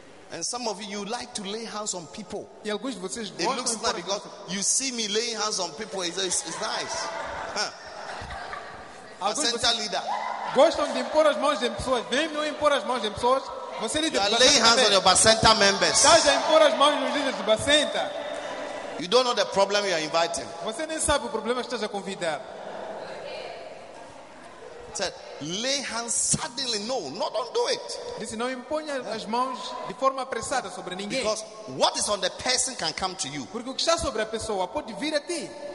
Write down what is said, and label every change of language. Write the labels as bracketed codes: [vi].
[en] And some of you like to lay hands on people. [pt] E alguns de vocês [en] it looks like because people. You see me laying hands on people, it's nice. Huh. A central leader. [pt] Gostam de impor as mãos em pessoas. Vem não impor as mãos em pessoas. Você [en] líder. You are laying hands on your Bacenta members. [pt] Estás a impor as mãos nos líderes de Bacenta. [en] You don't know the problem you are inviting. [pt] Você nem sabe o problema que estás a convidar. [en] Said, lay hands suddenly. No, don't do it. [pt] Disse, não imponha as mãos de forma apressada sobre ninguém. [en] Because what is on the person can come to you. [pt] Porque o que está sobre a pessoa pode vir a ti.